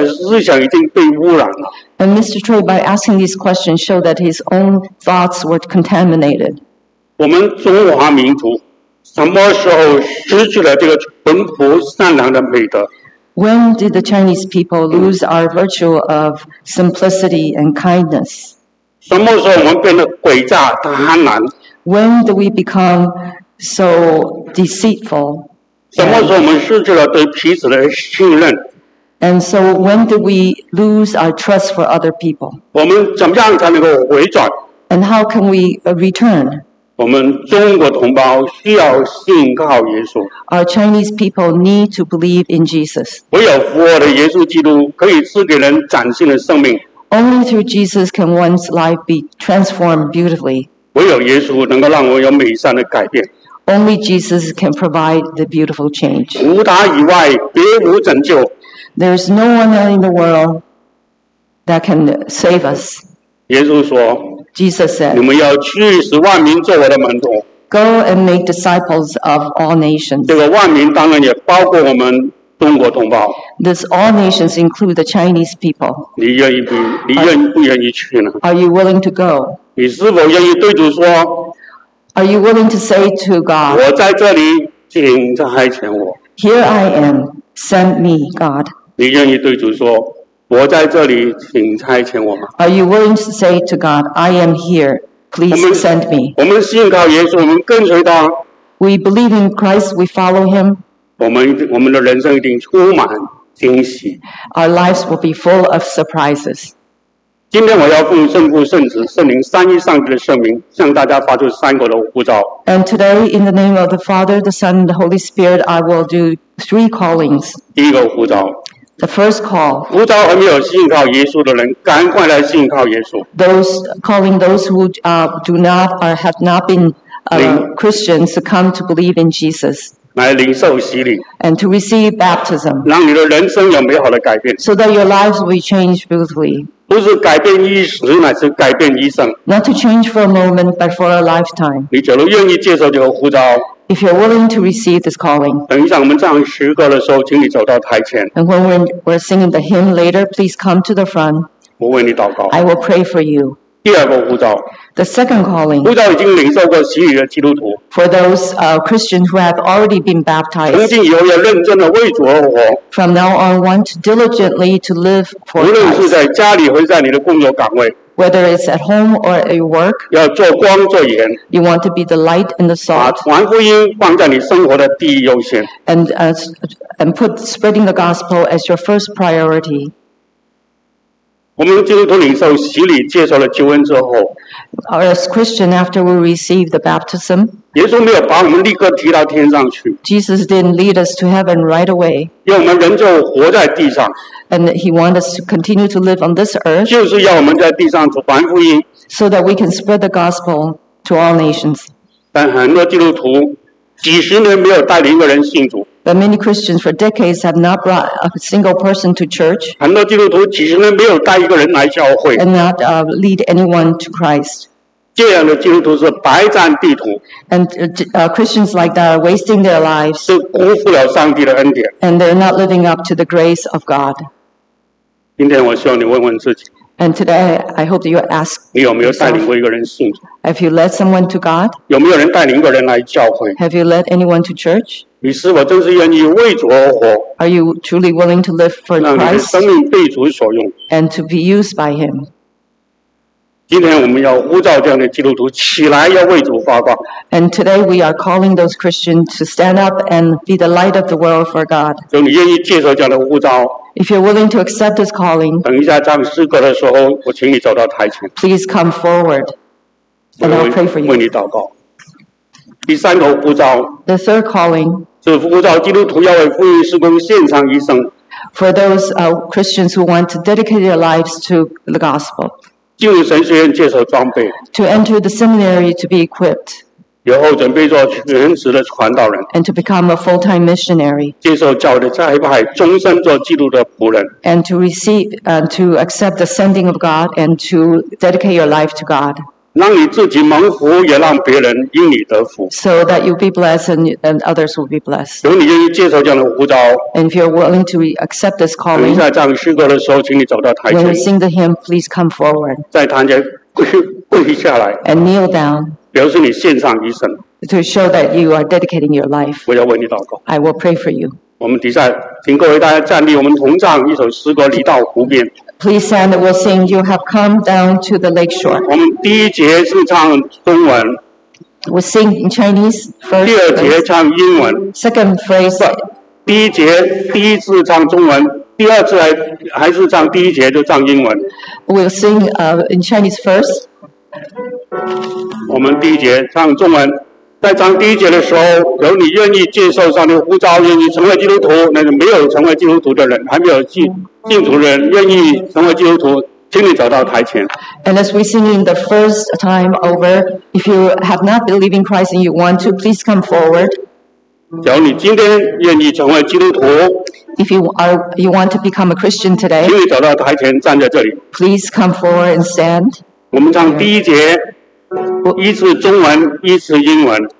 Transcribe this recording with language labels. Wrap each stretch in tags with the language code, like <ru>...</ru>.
<zh>郑永元店主提出那些问题，表明他自己的思想已经被污染了。</zh> <en>And Mr. Choi, by asking these questions, showed that his own thoughts were contaminated.</en> <zh>我们中华民族什么时候失去了这个淳朴善良的美德？</zh> <en>When did the Chinese people lose our virtue of simplicity and kindness?</en> <zh>什么时候我们变得诡诈贪婪？</zh> <en>When do we become so deceitful?</en> <zh>什么时候我们失去了对彼此的信任？</zh> <en>And so when do we lose our trust for other people?</en> <zh>我们怎么样才能够回转？</zh> <en>And how can we return?</en> <zh>我们中国同胞需要信靠耶稣。</zh> <en>Our Chinese people need to believe in Jesus.</en> <zh>唯有复活的耶稣基督可以赐给人崭新的生命。</zh> <en>Only through Jesus can one's life be transformed beautifully.</en> <zh>唯有耶稣能够让我有美善的改变。</zh> <en>Only Jesus can provide the beautiful change.</en> <zh>除他以外，别无拯救。</zh> <en>There is no one in the world that can save us.</en> <zh>耶稣说</zh> <en>，Jesus said，</en> <zh>你们要去使万民做我的门徒。</zh> <en>Go and make disciples of all nations。</en> <zh>这个万民当然也包括我们中国同胞。</zh> <en>This all nations include the Chinese people。</en> <zh>你愿意不？你愿不愿意去呢</zh> <en>？Are you willing to go？</en> <zh>你是否愿意对主说</zh> <en>？Are you willing to say to God？</en> <zh>我在这里，请差遣我。</zh> <en>Here I am, send me, God。</en> <zh>你愿意对主说？我在这里，请差遣我吗</zh> <en>？Are you willing to say to God, "I am here, please send me"?</en> <zh>我们信靠耶稣，我们跟随他。</zh> <en>We believe in Christ, we follow Him.</en> <zh>我们的人生一定充满惊喜。</zh> <en>Our lives will be full of surprises.</en> <zh>今天我要奉圣父、圣子、圣灵三一上帝的圣名，向大家发出三个的呼召。</zh> <en>And today, in the name of the Father, the Son, and the Holy Spirit, I will do three callings.</en> <zh>第一个呼召。</zh> <en>The first call.</en> <zh>呼召还没有信靠耶稣的人，赶快来信靠耶稣。</zh> <en>Those calling those who do not or have not been Christians to come to believe in Jesus.</en> <zh>来领受洗礼。</zh> <en>And to receive baptism.</en> <zh>让你的人生有美好的改变。</zh> <en>So that your lives will be changed beautifully.</en> <zh>不是改变一时，乃是改变一生。</zh> <en>Not to change for a moment, but for a lifetime.</en> <zh>你假如愿意接受这个呼召。</zh> <en>If you're willing to receive this calling,</en> <zh>等一下我们唱诗歌的时候，请你走到台前。</zh> <en>And when we're singing the hymn later, please come to the front.</en> <zh>我为你祷告。</zh> <en>I will pray for you.</en> <zh>第二个呼召。</zh> <en>The second calling.</en> <zh>呼召已经领受过洗礼的基督徒。</zh> <en>For those Christians who have already been baptized.</en> <zh>从今以后要认真的为主而活。</zh> <en>From now on, want to diligently to live for</en> <zh>Christ. 无论是在家里，或是在你的工作岗位。</zh> <en>Whether it's at home or at work,</en> <zh>要做光做盐。</zh> <en>You want to be the light and the salt.</en> <zh>把传福音放在你生活的第一优先。</zh> <en>And put spreading the gospel as your first priority.</en> <zh>我们基督徒领受洗礼，接受了救恩之后</zh> <en>，As Christian after we receive the baptism,</en> <zh>耶稣没有把我们立刻提到天上去。</zh> <en>Jesus didn't lead us to heaven right away.</en> <zh>因为我们仍旧活在地上。</zh> <en>And he wants us to continue to live on this earth.</en> <zh>就是要我们在地上传福音。</zh> <en>So that we can spread the gospel to all nations.</en> <zh>但很多基督徒几十年没有带领一个人信主。</zh> <en>But many Christians for decades have not brought a single person to church.</en> <zh>很多基督徒几十年没有带一个人来教会。</zh> <en>And not lead anyone to Christ.</en> <zh>这样的基督徒是白占地图。</zh> <en>And Christians like that are wasting their lives.</en> <zh>都辜负了上帝的恩典。</zh> <en>And they're not living up to the grace of God.</en> <zh>今天我希望你问问自己。</zh> <en>And today, I hope that you ask.</en> <zh>你有没有带领过一个人信主？</zh> <en>Have you led someone to God?</en> <zh>有没有人带领一个人来教会？</zh> <en>Have you led anyone to church?</en> <zh>你是否真是愿意为主而活？</zh> <en>Are you truly willing to live for Christ?</en> <zh>让你的生命被主所用。</zh> <en>And to be used by Him.</en> <zh>今天我们要呼召这样的基督徒起来，要为主发光。</zh> <en>And today we are calling those Christians to stand up and be the light of the world for God.</en> <zh>就你愿意接受这样的呼召。</zh> <en>If you're willing to accept this calling,</en> <zh>等一下唱诗歌的时候，我请你走到台前。</zh> <en>Please come forward, and I'll pray for you.</en> <zh>为你祷告。第三个呼召。</zh> <en>The third calling.</en> <zh>是呼召基督徒要为福音事工献上一生。</zh> <en>For those Christians who want to dedicate their lives to the gospel.</en> <zh>进入神学院接受装备。</zh> <en>To enter the seminary to be equipped.</en> <zh>以后准备做全职的传道人。</zh> <en>And to become a full-time missionary.</en> <zh>接受教会的差派，终身做基督的仆人。</zh> <en>And to receive, to accept the sending of God and to dedicate your life to God.</en> <zh>让你自己蒙福，也让别人因你得福。</zh> <en>So that you'll be blessed and others will be blessed.</en> <zh>如果你愿意接受这样的呼召。</zh> <en>And if you're willing to accept this calling.</en> <zh>等一下唱诗歌的时候，请你走到台前。</zh> <en>When we sing the hymn, please come forward.</en> <zh>在台前跪下来。</zh> <en>And kneel down.</en> <zh>表示你献上一生。</zh> <en>To show that you are dedicating your life.</en> <zh>我要为你祷告。</zh> <en>I will pray for you.</en> <zh>我们底下，请各位大家站立，我们同唱一首诗歌《离到湖边》。</zh> <en>Please stand. We'll sing. You have come down to the lake shore.</en> <zh>我们第一节是唱中文。</zh> <en>We sing in Chinese first.</en> <zh>第二节唱英文。</zh> <en>Second phrase.</en> <zh>第一节第一次唱中文。第二次还是唱第一节就唱英文。</zh> <en>We'll sing in Chinese first.</en> <zh>我们第一节唱中文，在唱第一节的时候，有你愿意接受上帝呼召，愿意成为基督徒，那个没有成为基督徒的人，还没有信主的人，愿意成为基督徒，请你走到台前。</zh> <en>And as we sing in the first time over, if you have not believed in Christ and you want to, please come forward.</en> <zh>假如你今天愿意成为基督徒</zh> <en>，If you want to become a Christian today,</en> <zh>请你走到台前站在这里。</zh> <en>Please come forward and stand.</en> <zh>我们唱第一节，一次中文，一次英文。</zh>